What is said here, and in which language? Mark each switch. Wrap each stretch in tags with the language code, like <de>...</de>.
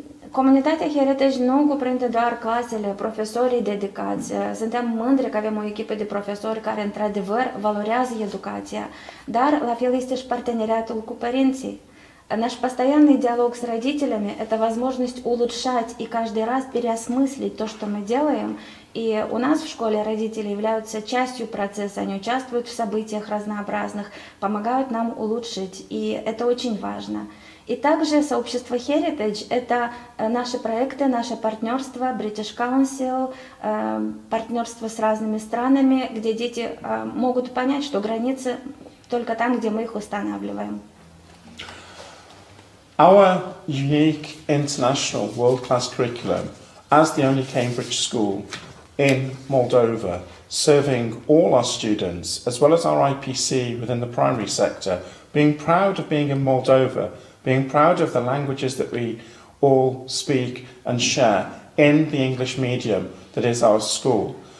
<ro>Comunitatea Heritage nu cuprinde doar clasele, profesorii dedicați. Suntem mândri că avem o echipă de profesori care, într-adevăr, valorează educația. Dar la fel este și parteneriatul cu părinții.</ro> <ru>Наш постоянный диалог с родителями – это возможность улучшать и каждый раз переосмыслить то, что мы делаем. И у нас в школе родители являются частью процесса, они участвуют в событиях разнообразных, помогают нам улучшить, и это очень важно. И также сообщество Heritage – это наши проекты, наше партнерство, British Council, партнерство с разными странами, где дети могут понять, что границы только там, где мы их устанавливаем.</ru> <en>Our unique international world-class curriculum as the only Cambridge school in Moldova, serving all our students, as well as our IPC within the primary sector, being proud of being in Moldova, being proud of the languages that we all speak and share in the English medium that is our school.</en>